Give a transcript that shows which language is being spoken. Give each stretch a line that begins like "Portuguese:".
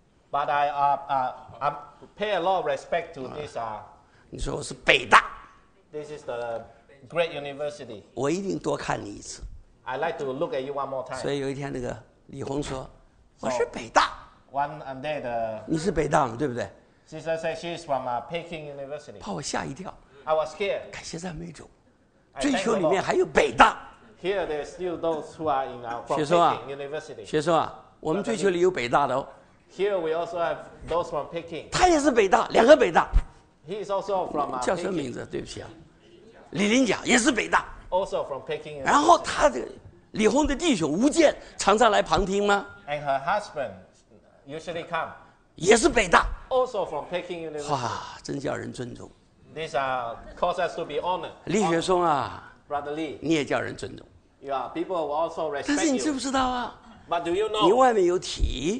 English: But I pay a lot of respect to this.
Chinese: 你说我是北大。
English: This is the great university.
Chinese: 我一定多看你一次。
English: I'd like to look at you one more time.
Chinese: 所以有一天那个李红说，我是北大。
English: One day the.
Chinese: 你是北大吗？对不对
English: ？Sister said she's from Peking University.
Chinese: 把我吓一跳。
English: I was scared.
Chinese: 感谢赞美主。追求里面还有北大。
English: Here there are still those who are in our from Peking University.
Chinese: 学生啊，我们追求里有北大的哦。
English: Here we also have those from Peking.
Chinese: 他也是北大，两个北大。
English: He is also from Peking.
Chinese: 叫什么名字？对不起啊，李林甲也是北大。
English: Also from Peking.
Chinese: 然后他的李红的弟兄吴健常常来旁听吗
English: ？And her husband usually come.
Chinese: 也是北大。
English: Also from Peking University.
Chinese: 哇，真叫人尊重。
English: These are cause us to be honored.
Chinese: 李学松啊。
English: Brother Lee,
Chinese: 你也叫人尊重
English: yeah, people will also respect
Chinese: 但是你知不知道啊
English: But do you know,
Chinese: 你外面有体